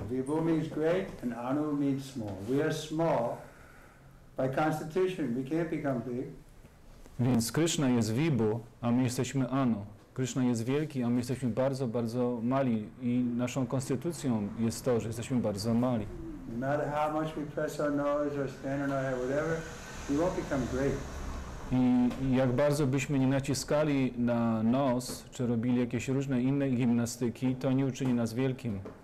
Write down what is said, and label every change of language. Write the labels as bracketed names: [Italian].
[English] Vibhu means great and Anu means small. We are small by constitution. We can't become big. [Polish] Więc Krishna jest Vibhu, a my jesteśmy Anu. Krishna jest wielki, a my jesteśmy bardzo, bardzo mali. I naszą konstytucją jest to, że jesteśmy bardzo mali. [English] No matter how much we press our nose or stand on our head, whatever, we won't become great. [Polish] I jak bardzo byśmy nie naciskali na nos, czy robili jakieś różne inne gimnastyki, to nie uczyni nas wielkim.